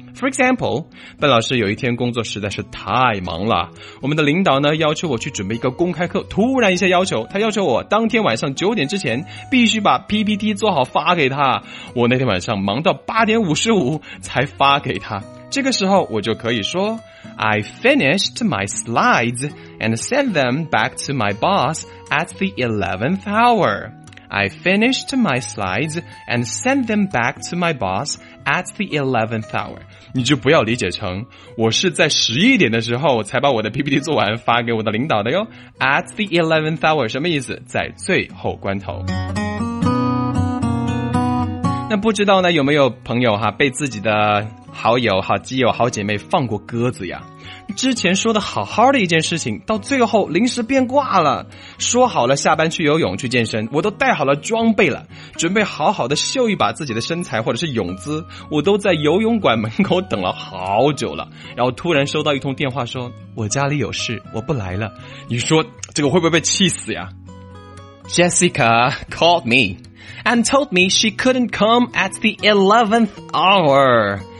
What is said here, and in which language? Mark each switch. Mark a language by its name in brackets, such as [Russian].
[English] For example, [Chinese] 本老师有一天工作实在是太忙了，我们的领导呢要求我去准备一个公开课，突然一下要求，他要求我当天晚上9点之前必须把 PPT 做好发给他，我那天晚上忙到8点55才发给他。这个时候我就可以说 [English] I finished my slides and sent them back to my boss at the 11th hour. I finished my slides and sent them back to my boss at the 11th hour. [Chinese] 你就不要理解成我是在11点的时候才把我的 PPT 做完发给我的领导的哟。 [English] At the 11th hour [Chinese] 什么意思？在最后关头。那不知道呢有没有朋友哈，被自己的好友好基友好姐妹放过鸽子呀，之前说的好好的一件事情到最后临时变卦了，说好了下班去游泳去健身，我都带好了装备了，准备好好的秀一把自己的身材或者是泳姿，我都在游泳馆门口等了好久了，然后突然收到一通电话说我家里有事我不来了，你说这个会不会被气死呀？ [English] Jessica called me and told me she couldn't come at the 11th hour.